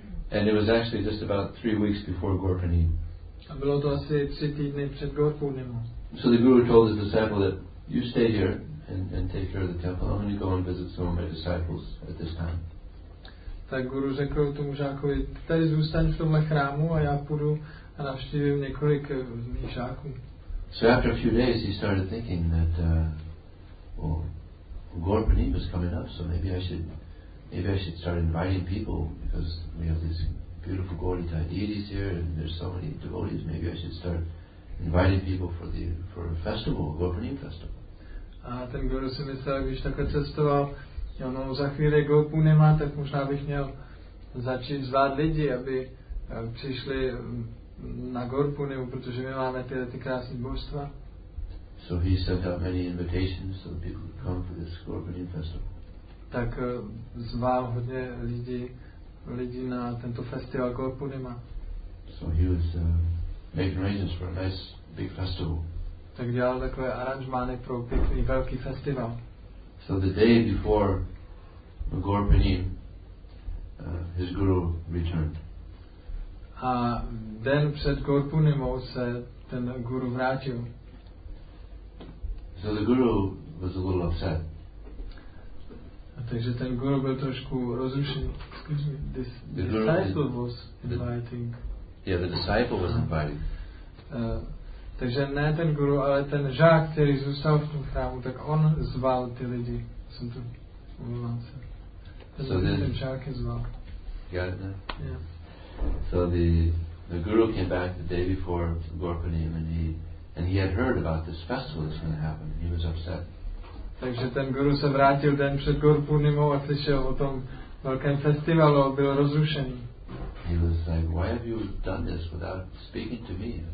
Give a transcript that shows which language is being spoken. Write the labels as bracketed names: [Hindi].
[English] And it was actually just about 3 weeks before Gorpurni. [Czech] A bylo to asi 3 týdny před Gorpurnimu. [English] So the guru told his disciple that you stay here and take care of the temple. I'm going to go and visit some of my disciples at this time. [Czech] Tak guru řekl tomu žákovi, tady zůstaň v tomhle chrámu a já půjdu a navštívím několik mých žáků. [English] So after a few days he started thinking that well, Gorpurni was coming up, so maybe I should start inviting people because we have these beautiful Gorpurni deities here and there's so many devotees, maybe I should start inviting people for a festival, a Gorpurni festival. [Czech] A ten guru si myslel, když takhle cestoval, ono za chvíli Gopu nemá, tak možná bych měl začít zvát lidi, aby přišli na Gorpurnimu, protože my máme tyhle ty krásné božstva. [English] So he sent out many invitations so people could come for this Gorpurnim festival. [Czech] Tak zval hodně lidi na tento festival Gorpurnima. [English] So he was making arrangements for a nice big festival. [Czech] Tak dělal takové aranžmány pro pěkný velký festival. [English] So the day before Gorpurni, his guru returned. [Czech] A den před Gorpurnimou se ten guru vrátil. [English] So the guru was a little upset. [Czech] A takže ten guru byl trošku rozrušen. [English] Excuse me, this disciple was inviting. Yeah, the disciple was inviting. [Czech] Takže ne ten guru, ale ten žák, který zůstal v tom chrámu, tak on zval ty lidi. Jsem tu umluvám se. Ten žák je zval. [English] Got it? Yeah. So the guru came back the day before Gorpurnim and he had heard about this festival that's going to happen. He was upset. [Czech] Takže ten guru se vrátil den před Gorpurnimou a slyšel o tom velkém festivalu a byl rozrušený. [English] He was like, why have you done this without speaking to me?